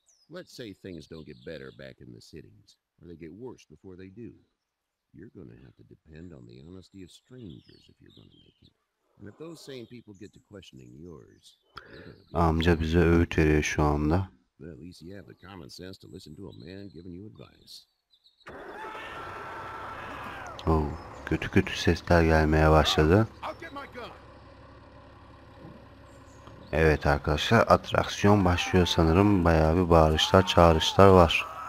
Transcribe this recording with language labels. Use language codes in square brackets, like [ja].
[en] Let's say things don't get better back in the cities, or they get worse before they do. You're gonna have to depend on the honesty of strangers if you're gonna make it. And if those same people get to questioning yours, [tr] amca bize öğüt veriyor şu anda. [en] But at least you have the common sense to listen to a man giving you advice. [tr] Oh, kötü kötü sesler gelmeye başladı. Evet arkadaşlar, atraksiyon başlıyor sanırım. Bayağı bir bağırışlar, çağrışlar var.